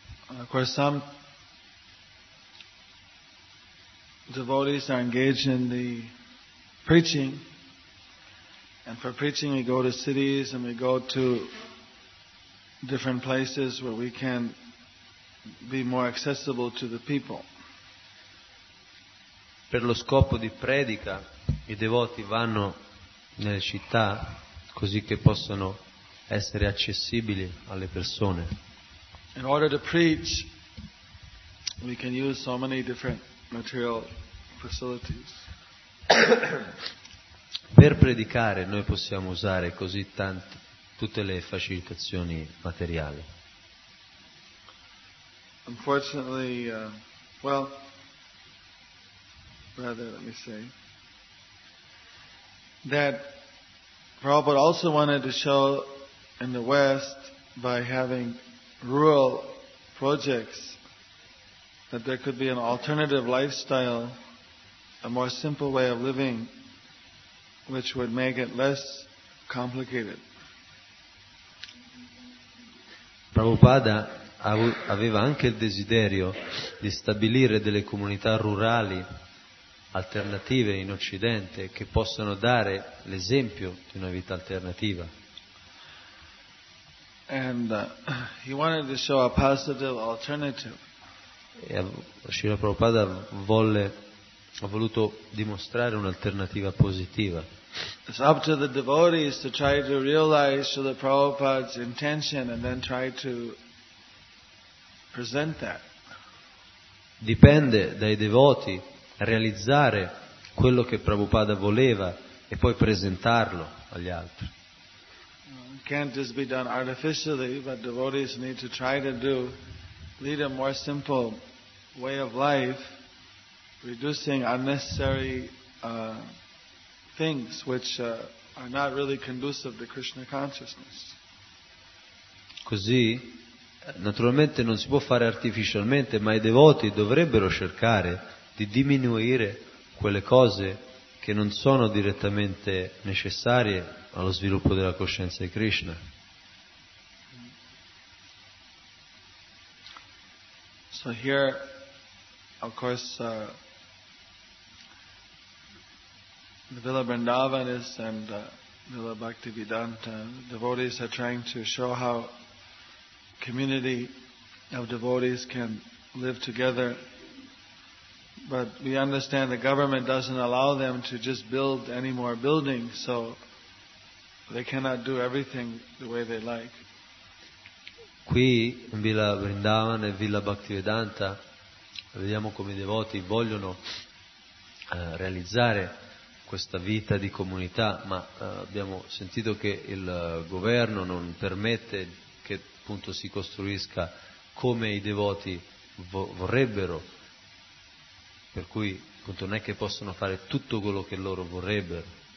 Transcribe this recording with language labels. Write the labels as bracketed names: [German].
[English] Of course some devotees are engaged in the preaching, and for preaching we go to cities and we go to different places where we can be more accessible to the people. [Italian] Per lo scopo di predica i devoti vanno nelle città così che possano essere accessibili alle persone. [English] In order to preach we can use so many different material facilities. [Italian] Per predicare noi possiamo usare così tante tutte le facilitazioni materiali. [English] Unfortunately, well, rather let me say that Prabhupada also wanted to show in the West by having rural projects that there could be an alternative lifestyle, a more simple way of living, which would make it less complicated. [Italian] Prabhupada aveva anche il desiderio di stabilire delle comunità rurali alternative in Occidente che possano dare l'esempio di una vita alternativa. [English] And he wanted to show a positive alternative. [Italian] E Srila Prabhupada ha voluto dimostrare un'alternativa positiva. [English] It's up to the devotees to try to realize Srila Prabhupada's intention and then try to present that. [Italian] Dipende dai devoti realizzare quello che Prabhupada voleva e poi presentarlo agli altri. [English] It can't just be done artificially, but devotees need to try to lead a more simple way of life, reducing unnecessary things which are not really conducive to Krishna consciousness. [Italian] Così, naturalmente non si può fare artificialmente, ma i devoti dovrebbero cercare di diminuire quelle cose che non sono direttamente necessarie allo sviluppo della coscienza di Krishna. [English] So here, of course, the Villa Vrindavanis and Villa Bhaktivedanta, devotees are trying to show how community of devotees can live together. But we understand the government doesn't allow them to just build any more buildings, so They cannot do everything the way they like. [Italian] Qui in Villa Vrindavan e Villa Bhaktivedanta vediamo come i devoti vogliono realizzare questa vita di comunità, ma abbiamo sentito che il governo non permette che appunto si costruisca come i devoti vorrebbero, per cui appunto non è che possono fare tutto quello che loro vorrebbero.